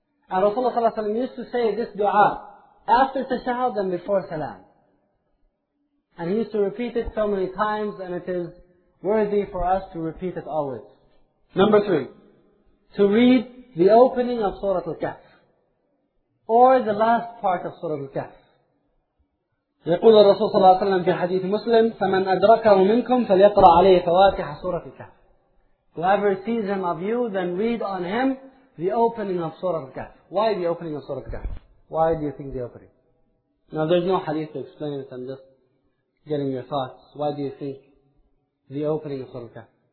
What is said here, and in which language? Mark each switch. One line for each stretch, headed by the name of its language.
English: And Rasulullah ﷺ used to say this dua after tashahhud and before salam. And he used to repeat it so many times, and it is worthy for us to repeat it always. Number three, to read the opening of Surah Al-Kahf, or the last part of Surah Al-Kahf.
Arabic: يقول الرسول صلى الله عليه وسلم في حديث مسلم فمن أدركه منكم فليقرأ عليه فواتح سورة الكهف.
English: Whoever sees him of you, then read on him the opening of Surah Al-Kahf. Why the opening of Surah Al-Kahf? Why do you think the opening? Now there's no hadith to explain it. I'm just getting your thoughts. Why do you think the opening of Surah Al-Kahf?